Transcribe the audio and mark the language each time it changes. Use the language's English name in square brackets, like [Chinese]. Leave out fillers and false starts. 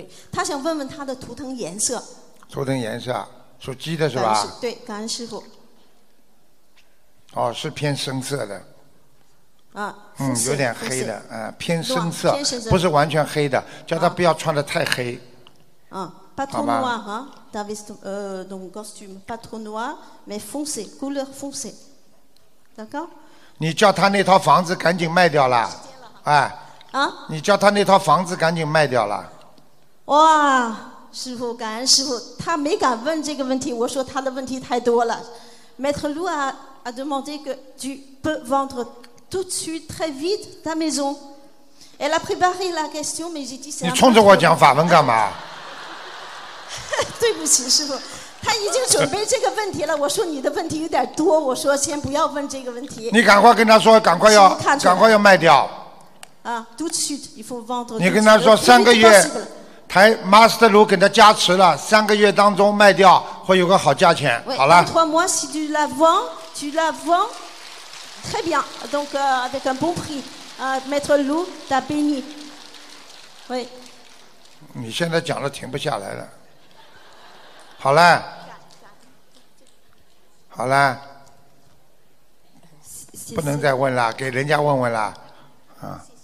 [Chinese] 他想问问他的图腾颜色。图腾颜色属鸡的是吧？对，感恩师父。哦，是偏深色的，啊，嗯，有点黑的，偏深色，不是完全黑的，叫他不要穿得太黑。 [French] 嗯，pas trop noir hein, David, donc costume pas trop noir mais foncé couleur foncé d'accord [Chinese] 你叫他那套房子赶紧卖掉了，哎，啊，你叫他那套房子赶紧卖掉了。哇，师父，感恩师父，他没敢问这个问题，我说他的问题太多了。 [French] Maître Lou a demandé que tu peux vendre tout de suite très vite ta maison. Elle a préparé la question mais j'ai dit [Chinese] 你冲着我讲法文干嘛？对不起师父，他已经准备这个问题了，我说你的问题有点多，我说先不要问这个问题，你赶快跟他说赶快要赶快要卖掉 [French] 啊，tout de suite il faut vendre。 [Chinese] 你跟他说三个月台 Master Lu 给他加持了，三个月当中卖掉会有个好价钱。 [French] oui, [Chinese] 好了 [French] 3 mois si tu la vends très bien donc avec un bon prix Maître Lu t'a béni。 oui. [Chinese] 你现在讲得停不下来了。好了，好了，不能再问了，给人家问问了，啊。